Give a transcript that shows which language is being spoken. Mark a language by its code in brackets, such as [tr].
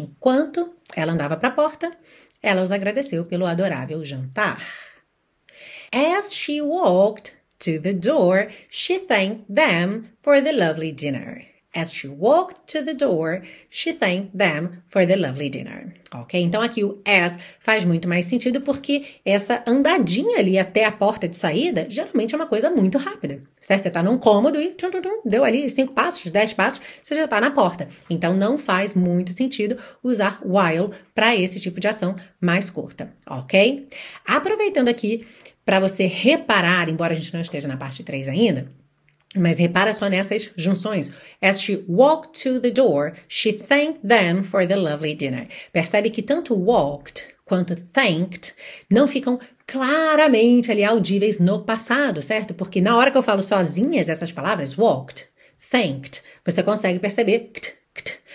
[pt] Enquanto ela andava para a porta, ela os agradeceu pelo adorável jantar. [en] As she walked to the door, she thanked them for the lovely dinner. As she walked to the door, she thanked them for the lovely dinner. [pt] Ok? Então, aqui o as faz muito mais sentido porque essa andadinha ali até a porta de saída geralmente é uma coisa muito rápida. Certo? Você está num cômodo e tum, tum, tum, deu ali 5 passos, 10 passos, você já está na porta. Então, não faz muito sentido usar while para esse tipo de ação mais curta. Ok? Aproveitando aqui para você reparar, embora a gente não esteja na parte 3 ainda, mas repara só nessas junções. [en] As she walked to the door, she thanked them for the lovely dinner. [pt] Percebe que tanto walked quanto thanked não ficam claramente ali audíveis no passado, certo? Porque na hora que eu falo sozinhas essas palavras, walked, thanked, você consegue perceber kt, kt.